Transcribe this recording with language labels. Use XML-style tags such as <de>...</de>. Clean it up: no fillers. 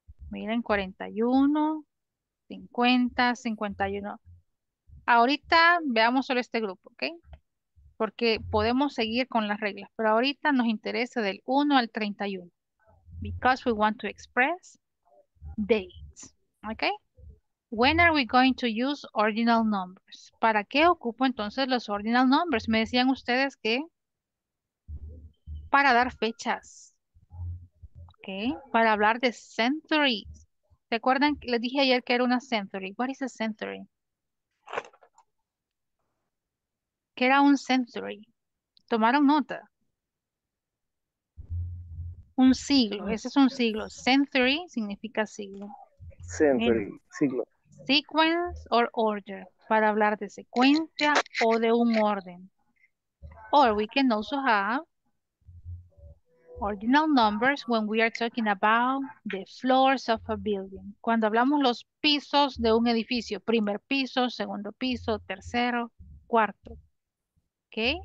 <es>Miren, 41, 50, 51. Ahorita veamos solo este grupo, ¿ok? Porque podemos seguir con las reglas, pero ahorita nos interesa del 1 al 31.</es> <en>Because we want to express dates, ¿ok? When are we going to use ordinal numbers?</en> <es>¿Para qué ocupo entonces los ordinal numbers? Me decían ustedes que para dar fechas. Okay. Para hablar de centuries. ¿Se acuerdan? Les dije ayer que era una century.</es> <en>What is a century?</en> <es>¿Qué era un century? ¿Tomaron nota? Un siglo. Ese es un siglo. Century significa siglo. Century. Okay. Siglo.</es> <en>Sequence or order.</en> <es>Para hablar de secuencia o de un orden.</es> <en>Or we can also have ordinal numbers when we are talking about the floors of a building.</en> <es>Cuando hablamos los pisos de un edificio. Primer piso, segundo piso, tercero, cuarto. Ok.</es>